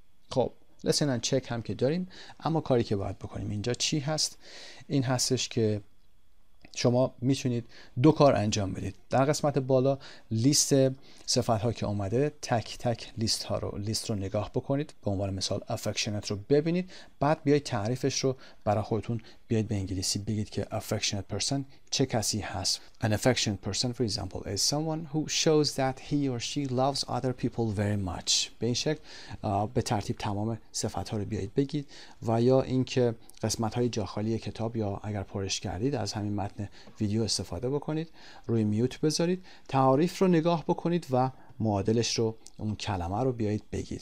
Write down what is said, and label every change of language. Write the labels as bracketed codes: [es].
[fa] خب listen and check هم که داریم، اما کاری که باید بکنیم اینجا چی هست؟ این هستش که شما میتونید دو کار انجام بدید. در قسمت بالا لیست صفات ها که اومده، تک تک لیست ها رو، لیست رو نگاه بکنید، به عنوان مثال affectionate رو ببینید، بعد بیایید تعریفش رو برای خودتون بیاید به انگلیسی بگید که [en] affectionate person [fa] چه کسی هست. [en] An affectionate person, for example, is someone who shows that he or she loves other people very much. [fa] به این شکل به ترتیب تمام صفت ها رو بیاید بگید. و یا اینکه قسمت های جاخالی کتاب یا اگر پرش کردید از همین متن ویدیو استفاده بکنید، روی میوت بذارید، تعاریف رو نگاه بکنید و معادلش رو، اون کلمه رو بیایید بگید.